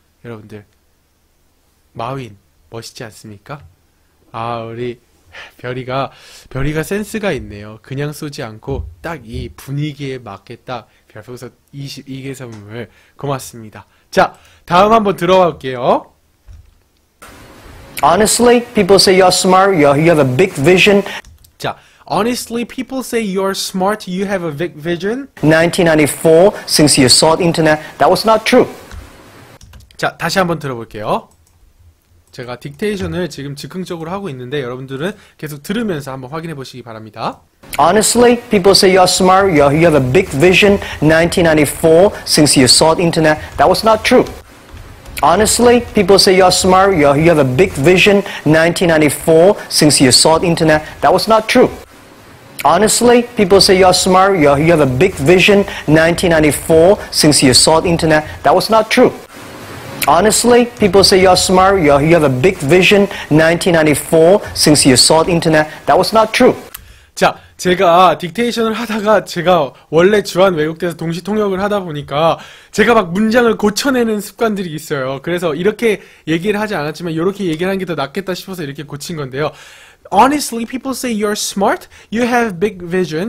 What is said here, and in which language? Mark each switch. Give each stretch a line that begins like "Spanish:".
Korean: 여러분들, 마윈, 멋있지 않습니까? 아, 우리, 별이가 센스가 있네요. 그냥 쏘지 않고 딱이 분위기에 맞게 딱 별풍선 22개 선물 고맙습니다. 자, 다음 한번 들어가 볼게요.
English: Honestly, people say you're smart, you have a big vision. 자, honestly, people say you're smart, you have a big vision. 1994, since you saw the internet, that was not true.
Korean: 자, 다시 한번 들어볼게요. 제가 딕테이션을 지금 즉흥적으로 하고 있는데 여러분들은 계속 들으면서 한번 확인해 보시기 바랍니다.
English: Honestly, people say you're smart, you have a big vision. 1994, since you saw the internet, that was not true. Honestly, people say you're smart, you have a big vision. 1994, since you saw the internet, that was not true. Honestly, people say you're smart, you have a big vision. 1994, since you saw the internet, that was not true. Honestly, people say you're smart, you have a big vision. 1994, since you saw the internet, that was not true.
Korean: 자, 제가 딕테이션을 하다가 제가 원래 주한 외국대에서 동시통역을 하다 보니까 제가 막 문장을 고쳐내는 습관들이 있어요. 그래서 이렇게 얘기를 하지 않았지만 이렇게 얘기를 한게더 낫겠다 싶어서 이렇게 고친 건데요.
English: Honestly, people say you're smart. You have big vision.